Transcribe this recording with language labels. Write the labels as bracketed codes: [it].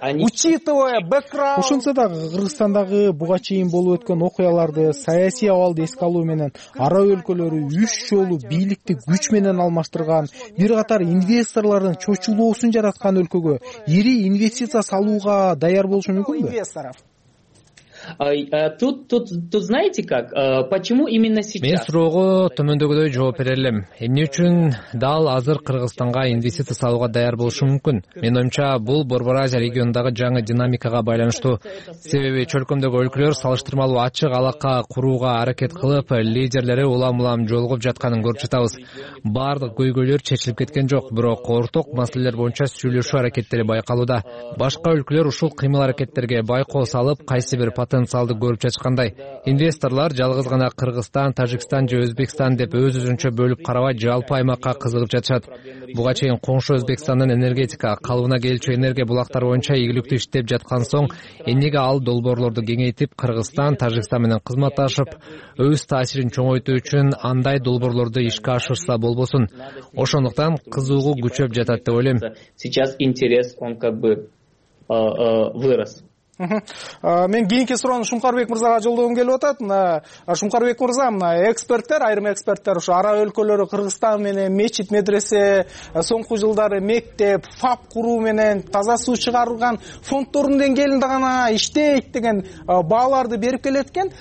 [ky] Ошентсе да Кыргызстандагы буга чейин болуп өткөн окуяларды саясий абалды эске алуу менен араб өлкөлөрү үч жолу бийликти күч менен алмаштырган бир катар инвесторлордун чочулоосун жараткан өлкөгө ири инвестиция салууга даяр болушу мүмкүнбү? [ru] Тут знаете как, почему именно сейчас? [ky] Мен суроого төмөндөгүдөй жооп бере элем. Эмне үчүн дал азыр Кыргызстанга инвестиция салууга даяр болушу мүмкүн? Менин оюмча бул Борбор Азия региондогу жаңы динамикага байланыштуу. Себеби чөлкөмдөгү өлкөлөр салыштырмалуу ачык алака курууга аракет кылып, лидерлери улам-улам жолугуп жатканын көрүп жатабыз. Бардык көйгөйлөр чечилип кеткен жок, бирок ортак маселелер боюнча сүйлөшүү аракеттери байкалууда. Башка өлкөлөр ушул кыймыл аракеттерге байкоо салып, кайсы бир потенциалды көрүп жаткандай. Инвесторлор жалгыз гана Кыргызстан, Тажикстан же Өзбекстан деп өз-өзүнчө бөлүп карабай жалпы аймакка кызыгып жатышат. Буга чейин коңшу Өзбекстандын энергетика калыбына келчү энергия булактары боюнча ийгиликтүү иштеп жаткан соң эмнеге ал долбоорлорду кеңейтип Кыргызстан, Тажикстан менен кызматташып өз таасирин чоңойтуу үчүн андай долбоорлорду ишке ашырса болбосун? Ошондуктан кызыгуу күчөп жатат деп ойлойм. [ru] Сейчас интерес он как бы вырос. [ky] Мен кийинки суроону Шумкарбек мырзага жолдогум келип атат. Мына Шумкарбек мырза, мына эксперттер, айрым эксперттер ушу араб өлкөлөрү Кыргызстан менен мечит, медресе, соңку жылдары мектеп, фаб куруу менен таза суу чыгарылган фонддордун деңгээлинде гана иштейт деген бааларды берип келет экен.